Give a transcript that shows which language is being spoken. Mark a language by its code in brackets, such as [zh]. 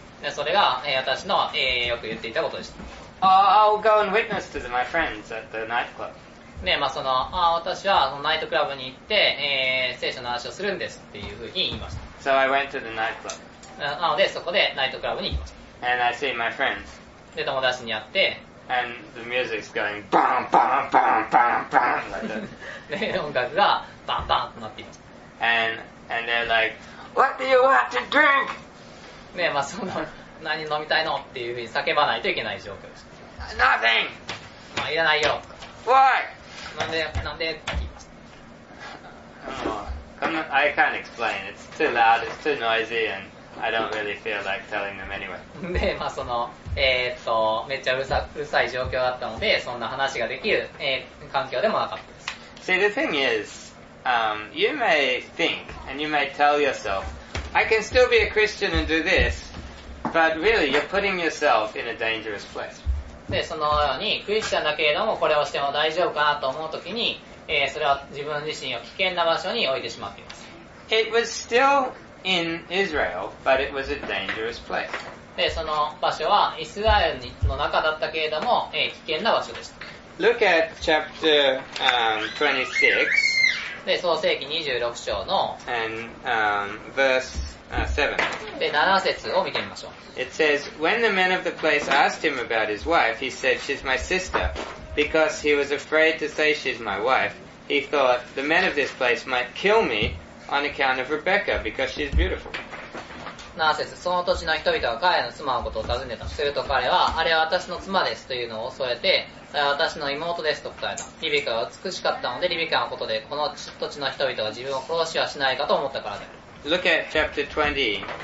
[ja] で、それが、私の、よく言っていたことでした。 [en] I'll go and witness to my friends at the nightclub. [ja] ね、まあその、私はナイトクラブに行って、聖書の話をするんですっていうふうに言いました。 [en] So I went to the nightclub. [ja] なので、そこでナイトクラブに行きました。 [en] And I see my friends. [ja] で、友達に会って。 [en] And the music's going bam, bam, bam, bam, bam, like that. [ja] で、音楽がバンバンとなっています。 [en] And they're like, what do you want to drink? [ja] で、まあその、何飲みたいのっていうふうに叫ばないといけない状況です。 [en] Nothing! [ja] まあいらないよ。 [en] Why? [ja] なんでって言いました [en] 。 I can't explain. It's too loud, it's too noisy and... I don't really feel like telling them anyway. [ja] で、まあその、めっちゃうるさい状況だったので、そんな話ができる、環境でもなかったです。 [en] See, the thing is, you may think, and you may tell yourself, I can still be a Christian and do this, but really, you're putting yourself in a dangerous place. [ja] で、そのようにクリスチャンだけれどもこれをしても大丈夫かなと思うときに、それは自分自身を危険な場所に置いてしまっています。 [en] It was still in Israel, but it was a dangerous place. [ja] で、その場所はイスラエルの中だったけれども、危険な場所でした。 [en] Look at chapter 26. [ja] で、創世記26章の [en] and verse 7. [ja] で、7節を見てみましょう。 [en] It says, when the men of the place asked him about his wife, he said, she's my sister. Because he was afraid to say she's my wife, he thought the men of this place might kill me on account of Rebecca because she's beautiful. [ja] なぜその土地の人々が彼の妻のことを尋ねた。すると彼はあれは私の妻ですというのを恐れて、あれは私の妹ですと答えた。リビカは美しかったのでリビカのことでこの土地の人々が自分を殺しはしないかと思ったからである。 [en] Look at chapter 20.